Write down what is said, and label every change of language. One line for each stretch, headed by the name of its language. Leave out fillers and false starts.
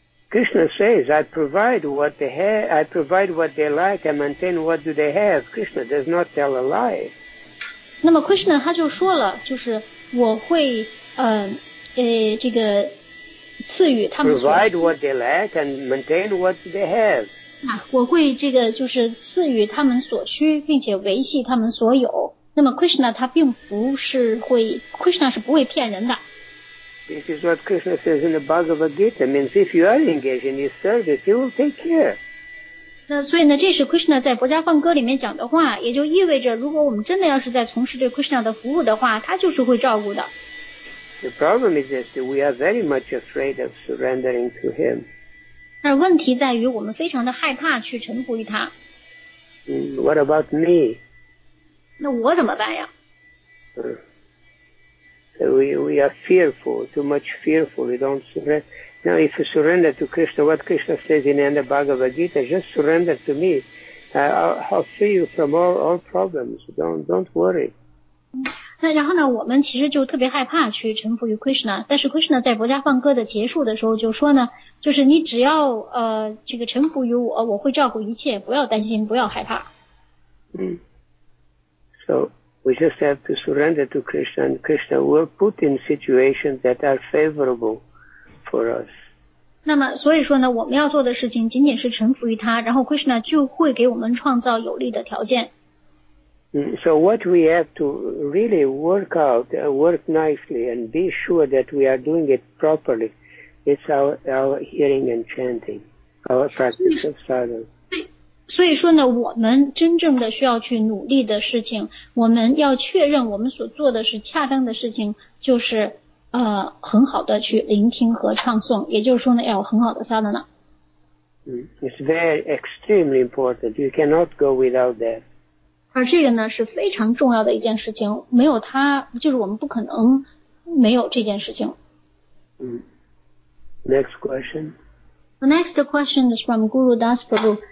English: Krishna says, I provide what they like, I maintain what do they have. Krishna does not tell a lie.
Chinese: 那么 Krishna 他就说了，就是我会这个。
English: Provide what they lack and maintain what they have.
Chinese: 我会这个就是赐予他们所需，并且维系他们所有。那么 Krishna 他并不是会 ，Krishna 是不会骗人的。
English: This is what Krishna says in the Bhagavad Gita. Means if you are engaged in his service, he will take care.
Chinese: 那所以呢，这是 Krishna 在《薄伽梵歌》里面讲的话，也就意味着，如果我们真的要是在从事对 Krishna 的服务的话，他就是会照顾的。
English: The problem is that we are very much afraid of surrendering to him.
Chinese: 但问题在于，我们非常的害怕去臣服于他。
English: What about me?
Chinese: 那我怎么办呀？
English: We are fearful, too much fearful. We don't surrender. Now, if you surrender to Krishna, what Krishna says in the end of Bhagavad Gita, just surrender to me. I'll free you from all problems. Don't worry.
Chinese: 那然后呢，我们其实就特别害怕去臣服于 Krishna. 但是 Krishna 在《薄伽梵歌》的结束的时候就说呢，就是你只要这个臣服于我，我会照顾一切，不要担心，不要害怕。
English: So. We just have to surrender to Krishna, and Krishna will put in situations that are favorable for us.
Chinese: 那么所以说呢，我们要做的事情仅仅是臣服于他，然后 Krishna 就会给我们创造有利的条件。
English: So what we have to really work out, work nicely, and be sure that we are doing it properly, is our hearing and chanting, our practice of sadhana.
Chinese: 所以说呢，我们真正的需要去努力的事情，我们要确认我们所做的是恰当的事情，就是很好的去聆听和唱诵，也就是说呢，要有很好的sadhana。
English: It's very extremely important. You cannot go without that.
Chinese: 而这个呢是非常重要的一件事情，没有它，就是我们不可能没有这件事情。
English: Next question. The next question is from Guru Das Prabhu.